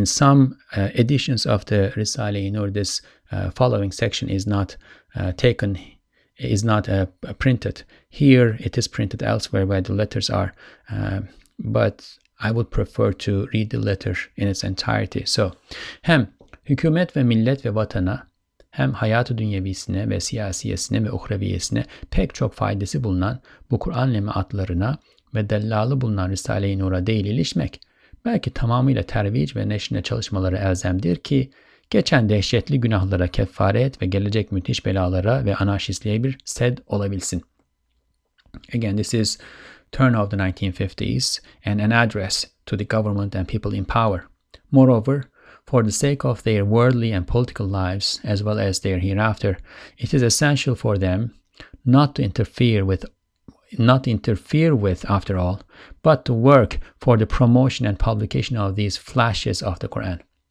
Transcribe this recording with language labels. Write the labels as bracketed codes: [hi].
[en] In some editions of the Risale-i Nur, this following section is not taken, is not printed. Here it is printed elsewhere where the letters are, but I would prefer to read the letter in its entirety. [tr] So, hem hükümet ve millet ve vatana, hem hayatı dünyevisine ve siyasiyesine ve uhreviyesine pek çok faydası bulunan bu Kur'an lemaatlarına ve dellalı bulunan Risale-i Nur'a değil ilişmek, belki tamamıyla tervic ve neşrine çalışmaları elzemdir ki, geçen dehşetli günahlara kefaret ve gelecek müthiş belalara ve anarşistliğe bir sed olabilsin. [en] Again, this is turn of the 1950s and an address to the government and people in power. Moreover, for the sake of their worldly and political lives, as well as their hereafter, it is essential for them not to interfere with, after all, but to work for the promotion and publication of these flashes of the Quran.